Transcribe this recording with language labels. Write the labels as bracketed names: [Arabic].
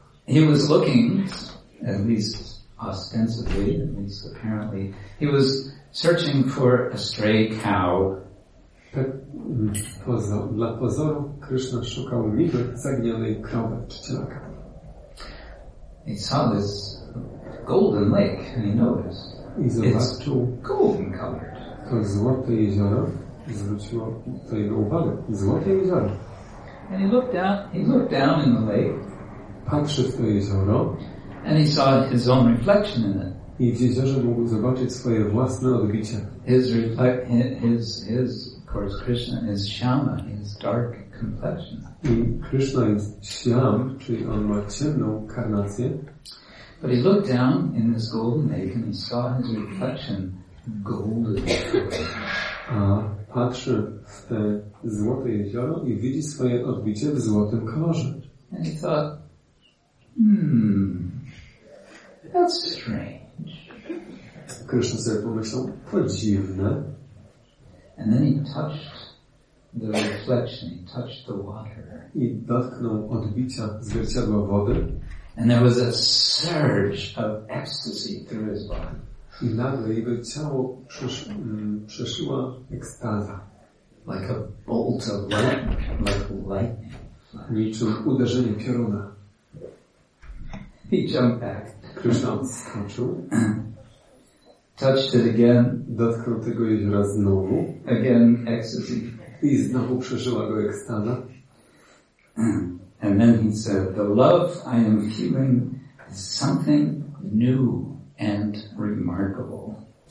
[English] He was looking, at least ostensibly, at least apparently, he was searching for a stray cow. [Polish] Tak, dla pozoru, Krishna szukał niby zaginionej krowy czy cielaka. [English] He saw this golden lake, and he noticed it's golden colored. [Polish] To złote jezioro zwróciło to jego uwagę. Złote jezioro. [English] And he looked down in the lake. [Polish] Patrzy w to jezioro. [English] And he saw his own reflection in it. [Polish] I w jeziorze mógł zobaczyć swoje własne odbicie. [English] His of course Krishna is Shyama, his dark complexion. [Polish] I Krishna jest Shyam, czyli on ma ciemną karnację. [English] But he looked down in this golden lake and he saw his reflection golden. [Polish] A patrzy w te złote jezioro i widzi swoje odbicie w złotym kolorze. [English] And he thought, that's strange. [Polish] Krishna sobie pomyślał, to dziwne. [English] And then he touched the reflection, he touched the water. [Polish] I dotknął odbicia zwierciadła wody. [English] And there was a surge of ecstasy through his body. [Polish] I nagle jego ciało przeszła ekstaza. [English] Like a bolt of lightning. Like lightning. [Polish] Niczym uderzenie pioruna. [English] He jumped back. [Polish] Krishna odskoczył. [English] Touched it again. [Polish] Dotknął tego jeziora znowu. [English] Again ecstasy. [Polish] I znowu przeżyła go ekstaza. [English] And then he said, the love I am feeling is something new and remarkable.